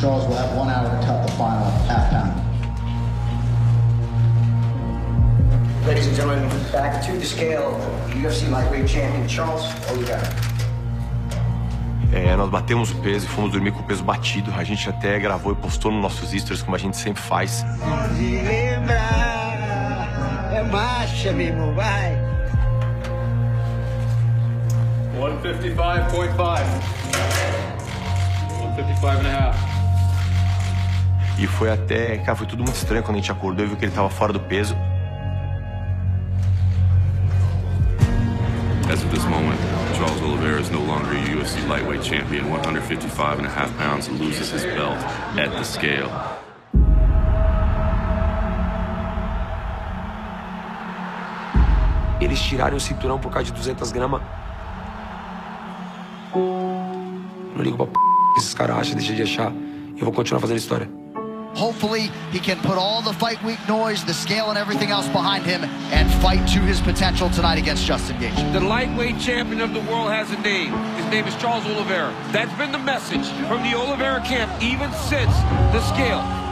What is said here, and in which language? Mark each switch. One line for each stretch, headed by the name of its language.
English: Charles will have 1 hour to cut the final half pound. Ladies and gentlemen, back to the scale, UFC lightweight champion Charles Oliveira.
Portuguese: Nós batemos o peso e fomos dormir com o peso batido. A gente até gravou e postou nos nossos stories, como a gente sempre faz. Pode lembrar, é marcha mesmo, vai.
English: 155.5. 155 and a half.
Portuguese: E foi até, cara, foi tudo muito estranho quando a gente acordou e viu que ele tava fora do peso.
English: As of this moment, Charles Oliveira is no longer a UFC lightweight champion. 155 and a half pounds and loses his belt at the scale.
Portuguese: Eles tiraram o cinturão por causa de 200 gramas. Não ligo pra p*** que esses caras acham, deixa de achar. Eu vou continuar fazendo história.
English: Hopefully he can put all the fight week noise, the scale and everything else behind him and fight to his potential tonight against Justin Gaethje. The lightweight champion of the world has a name. His name is Charles Oliveira. That's been the message from the Oliveira camp even since the scale.